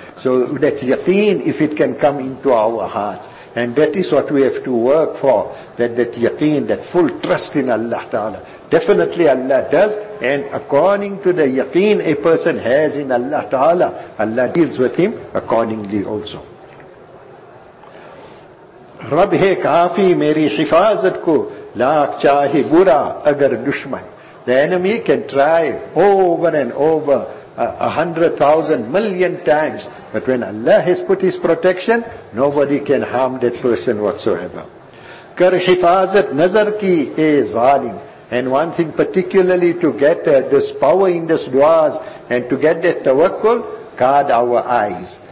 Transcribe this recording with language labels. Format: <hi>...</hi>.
<en>So that yaqeen, if it can come into our hearts. And that is what we have to work for. That yaqeen, that full trust in Allah Ta'ala. Definitely Allah does. And according to the yaqeen a person has in Allah Ta'ala, Allah deals with him accordingly also.</en> <ur>رب ہے کافی میری حفاظت کو لاکھ چاہے برا اگر دشمن.</ur> <en>The enemy can try over and over 100,000 million times, but when Allah has put his protection, nobody can harm that person whatsoever.</en> <ur>کر حفاظت نظر کی اے ظالم.</ur> <en>And one thing particularly to get this power in this du'as and to get that tawakkul, guard our eyes.</en>